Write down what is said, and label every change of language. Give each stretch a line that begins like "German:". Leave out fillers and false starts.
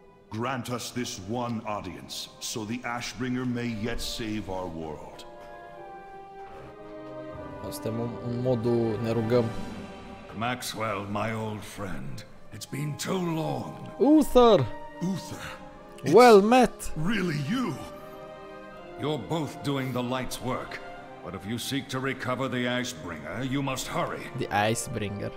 English: Grant us this one audience, so the Ashbringer may yet save our world.
Romanian: Suntem în modul ne rugăm.
English: Maxwell, my old friend, it's been too long. Uther! Uther! Well met! Really you! You're both doing the light's work. But if you seek to recover the Icebringer, you must hurry. The Icebringer.